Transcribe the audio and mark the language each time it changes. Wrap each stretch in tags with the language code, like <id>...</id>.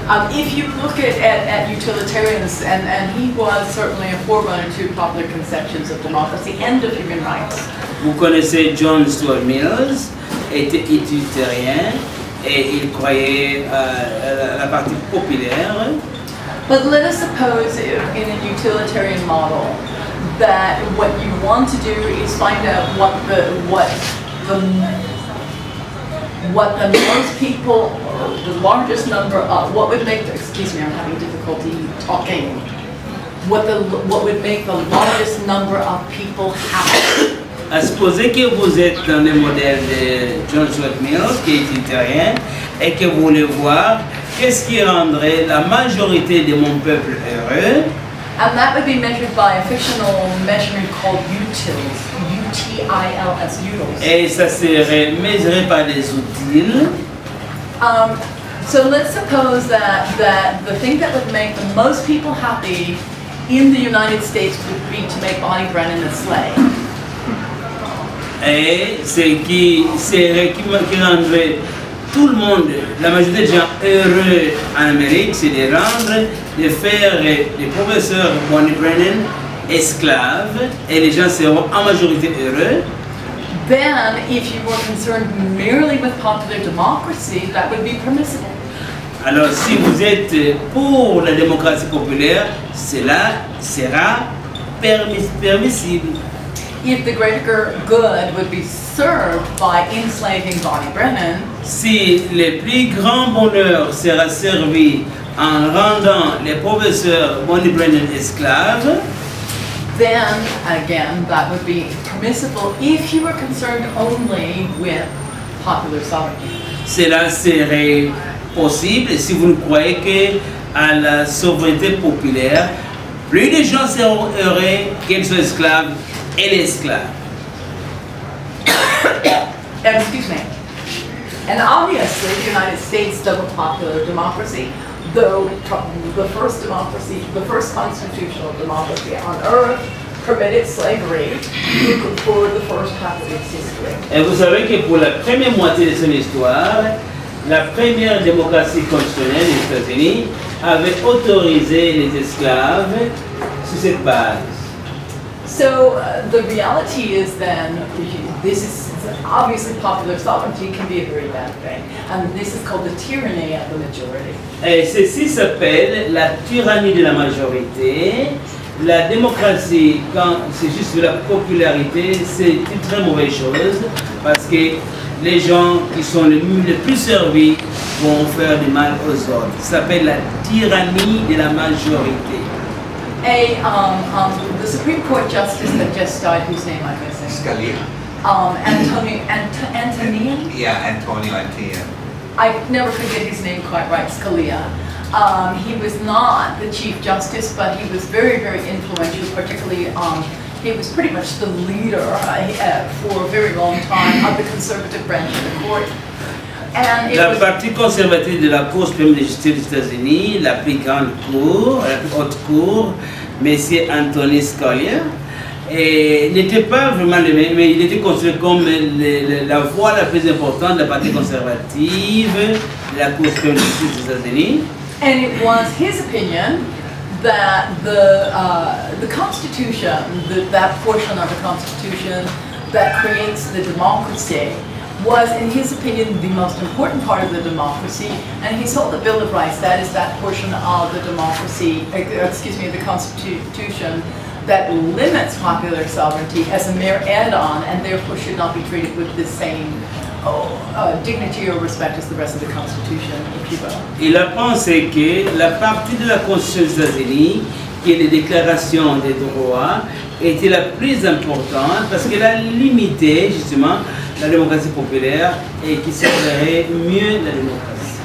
<en>If you look at utilitarians, and he was certainly a forerunner to popular conceptions of democracy and of human rights.</en> <fr>Vous connaissez John Stuart Mills, était utilitarian, et il croyait la partie populaire.</fr> <en>But let us suppose in a utilitarian model that what you want to do is find out what the most people number, the largest number of, what would make the, excuse me, I'm having difficulty talking. What would make the largest number of people happy?</en> <fr>À supposer que vous êtes dans le modèle de John Stuart Mill, qui est italien, et que vous voulez voir qu'est-ce qui rendrait la majorité de mon peuple heureux.</fr> <en>And that would be measured by a fictional measurement called utils, U-T-I-L-S, utils.</en> <fr>Et ça serait mesuré par les utiles.</fr> <en>So let's suppose that the thing that would make the most people happy in the United States would be to make Bonnie Brennan a slave.</en> <fr>Et c'est qui serait qui rendrait tout le monde, la majorité des gens heureux en Amérique, c'est de rendre, de faire les professeurs Bonnie Brennan esclaves et les gens seront en majorité heureux.</fr> <en>Then, if you were concerned merely with popular democracy, that would be permissible.</en> <fr>Alors, si vous êtes pour la démocratie populaire, cela sera permissible.</fr> <en>If the greater good would be served by enslaving Bonnie Brennan,</en> <fr>si le plus grand bonheur sera servi en rendant les professeurs Bonnie Brennan esclaves,</fr> <en>then again that would be permissible if you were concerned only with popular sovereignty.</en> <fr>Cela serait possible si vous ne croyez que à la souveraineté populaire. Plus les gens seront heureux qu'ils soient esclaves. Et l'esclave.</fr> <en>Excuse me. And obviously, the United States does a popular democracy, though the first democracy, the first constitutional democracy on earth, permitted slavery for the first half of its history.</en> <fr>Et vous savez que pour la première moitié de son histoire, la première démocratie constitutionnelle des États-Unis avait autorisé les esclaves sur cette base.</fr> <en>So the reality is then, this is obviously popular sovereignty can be a very bad thing, and this is called the tyranny of the majority.</en> <fr>Et ceci s'appelle la tyrannie de la majorité. La démocratie, quand c'est juste de la popularité, c'est une très mauvaise chose, parce que les gens qui sont les plus servis vont faire du mal aux autres. Ça s'appelle la tyrannie de la majorité.</fr> <en>The Supreme Court justice that just died, whose name I'm missing? Scalia. Antonio? Yeah, Antonio Antia. I never forget his name quite right, Scalia. He was not the Chief Justice, but he was very, very influential, particularly, he was pretty much the leader for a very long time of the conservative branch of the court.</en> <fr>La partie conservatrice de la Cour suprême de justice des États-Unis, la plus grande cour, la plus haute cour, M. Antonin Scalia, n'était pas vraiment le même, mais il était considéré comme la voix la plus importante de la partie conservative de la Cour suprême de justice des États-Unis.</fr> <en>And it was his opinion that the Constitution, that portion of the Constitution that creates the democracy, was, in his opinion, the most important part of the democracy, and he saw the Bill of Rights, that is that portion of the democracy, excuse me, the Constitution, that limits popular sovereignty as a mere add-on, and therefore should not be treated with the same dignity or respect as the rest of the Constitution, if you will.</en> <fr>Il a pensé que la partie de la Constitution des États-Unis, qui est la Déclaration des droits, était la plus importante parce qu'elle a limité, justement, la démocratie populaire et qui servirait mieux la démocratie.</fr>